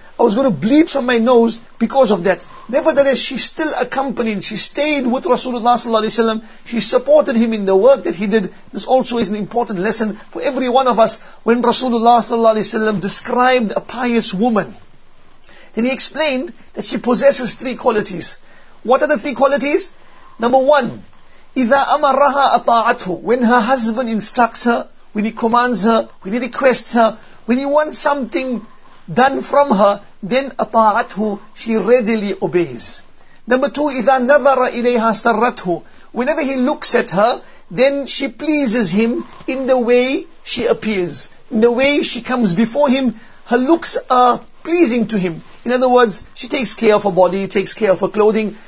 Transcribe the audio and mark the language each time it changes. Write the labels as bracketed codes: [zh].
[en] I was going to bleed from my nose because of that. Nevertheless, she still accompanied, she stayed with Rasulullah sallallahu alayhi wa sallam. She supported him in the work that he did. This also is an important lesson for every one of us. When Rasulullah sallallahu alayhi wa sallam described a pious woman, then he explained that she possesses three qualities. What are the three qualities? Number one, [ar] إِذَا أَمَرَّهَا أَطَاعَتْهُ. [en] When her husband instructs her, when he commands her, when he requests her, when he wants something done from her, then أَطَاعَتْهُ, she readily obeys. Number two, [ar] إِذَا نَظَرَ إِلَيْهَا سَرَّتْهُ. [en] Whenever he looks at her, then she pleases him in the way she appears. the way she comes before him, her looks are pleasing to him. In other words, she takes care of her body, takes care of her clothing.